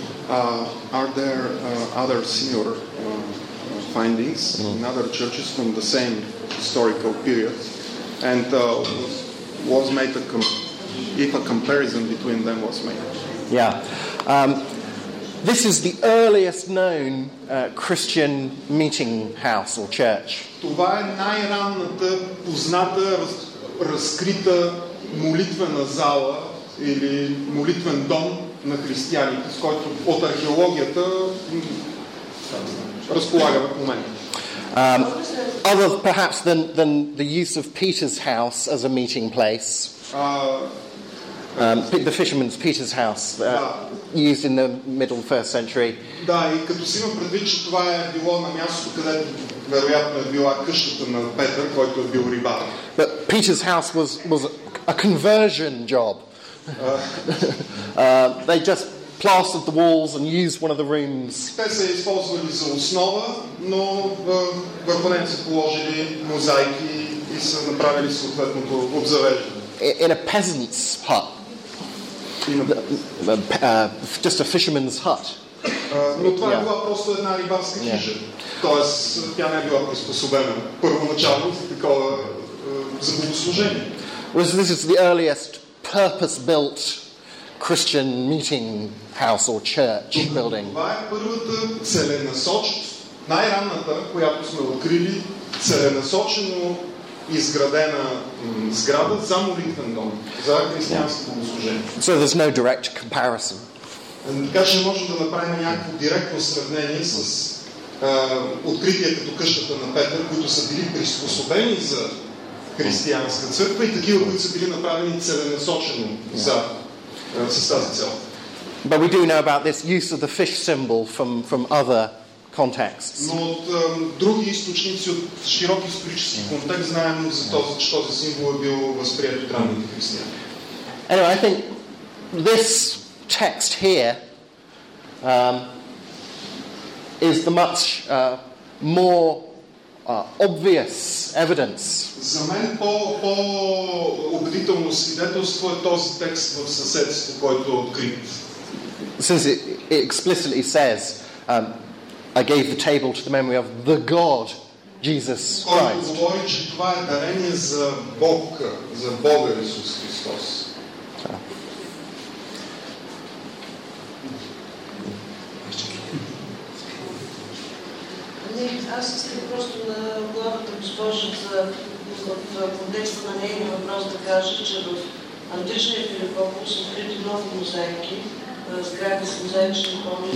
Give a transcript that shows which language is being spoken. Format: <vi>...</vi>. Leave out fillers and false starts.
<en>Are there other similar findings in other churches from the same historical period? And was made if a comparison between them was made? Yeah. This is the earliest known Christian meeting house or church.</en> <bg>Това е най-ранната позната разкрита молитвена зала или молитвен дом на християните, с който от археологията разполагаме в момента.</bg> <en>Other perhaps than the use of Peter's house as a meeting place. The fisherman's Peter's house used in the middle first century.</en> <bg>Да, и като си имам предвид, че това е било на място, където вероятно е била къщата на Петър, който е бил рибар.</bg> <en>But Peter's house was a conversion job. They just plastered the walls and used one of the rooms.</en> <bg>Те са използвали за основа, но върху нея са положили мозайки и са направили съответното обзавеждане.</bg> <en>In a peasant's hut. Just a fisherman's hut.</en> <bg>Но това е била просто една рибарска хижа. Тоест, тя не е била приспособена първоначално за такова за богослужение.</bg> <en>This is the earliest purpose-built Christian meeting house or church building.</en> <bg>Това е първата целенасочена, най-ранната, която сме открили, целенасочено изградена сграда за молитвен дом, за християнско богослужение.</bg> <en>So there's no direct comparison.</en> <bg>Така че можем да направим някакво директно сравнение с откритие като къщата на Петър, които са били приспособени за християнска църква и такива, които са били направени целенасочено за с тази цел.</bg> <en>But we do know about this use of the fish symbol from other contexts.</en> <bg>Но от други източници от широк исторически контекст знаем за това, че този символ е бил възприет от ранните християни.</bg> <en>Anyway, I think this text here is the much more obvious evidence.</en> <bg>За мен по-убедително свидетелство е този текст в съседство, който е открит.</bg> <en>Since it explicitly says, I gave the table to the memory of the God, Jesus Christ.</en> <bg>Който говори, че това е дарение за Бог, за Бога Исус Христос. Аз искам просто на главата госпожа от контекста на нейния въпрос да кажа, че в античния филипопол са открити много мозайки, сгради с мозайчни помните.</bg>